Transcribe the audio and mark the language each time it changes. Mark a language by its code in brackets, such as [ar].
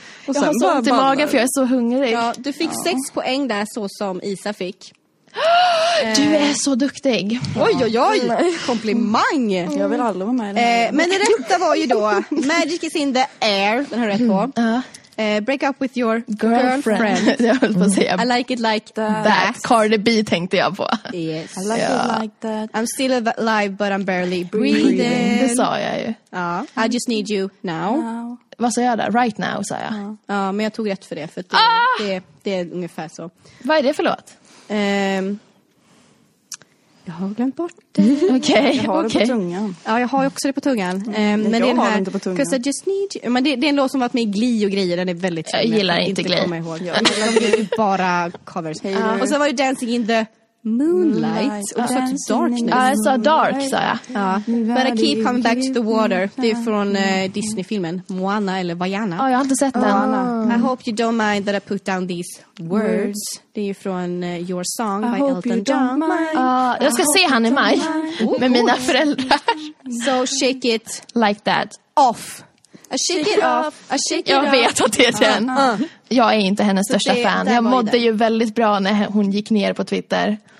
[sv] Och sen jag har så ont i magen för jag är så hungrig. Ja, du fick 6 poäng där så som Isa fick. Du är så duktig. Oj, oj, oj. Komplimang. Jag vill aldrig vara med. Men det rätta var ju då Magic is in the air. Den har rätt på. [en] Break up with your girlfriend. [sv] Jag höll på att säga. [en] I like it like that. [sv] Cardi B tänkte jag på. [en] Yes. I like it like that. I'm still alive but I'm barely breathing. [sv] Det sa jag ju. [en] I just need you now. [sv] Vad sa jag där? Right now, sa jag. Ja, men jag tog rätt för det. För det, det är ungefär så. Vad är det för låt? Jag har glömt bort det. Okej, okay. Okay. Ja, jag har också det på tungan. Men jag det är har den här, inte på tungan. [en] 'Cause I just need you. [sv] Men det är en låt som varit med i Gli och grejer. Den är väldigt jag gillar inte Gli. Jag gillar Gli, bara covers. Och sen var ju Dancing in the moonlight. Och så dark. Jag sa dark, sa jag. [en] But I keep coming back to the water. [sv] Det är från Disney-filmen Moana eller Vaiana. Ja, jag har inte sett den. [en] I hope you don't mind that I put down these words. [sv] Det är från Your Song by Elton John. Jag ska se han i maj med mina föräldrar. [en] So shake it like that. Off. I shake it off. I shake it [sv] off. Jag vet att det är den. Jag är inte hennes största fan. Jag mådde ju väldigt bra när hon gick ner på Twitter.